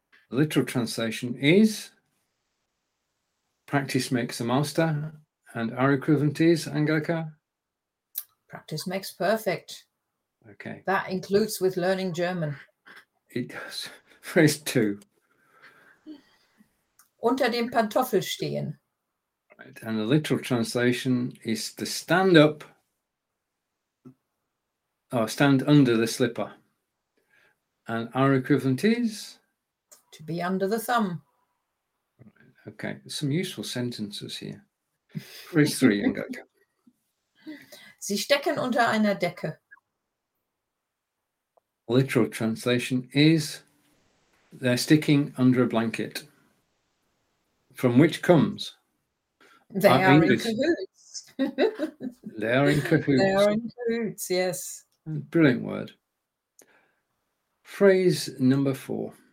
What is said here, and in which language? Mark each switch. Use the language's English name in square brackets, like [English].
[English] Literal translation is practice makes a master. And our equivalent is, Angelika? Practice makes perfect. Okay. That includes with learning German. It does. Phrase two. [German] Unter dem Pantoffel stehen. [English] Right. And the literal translation is to stand up or stand under the slipper. And our equivalent is? To be under the thumb. Right. Okay, some useful sentences here. Phrase three, Angelika. [German] Sie stecken unter einer Decke. [English] Literal translation is they're sticking under a blanket. From which comes? They are in cahoots. They are in cahoots. They are in cahoots, yes. Brilliant word. Phrase number four.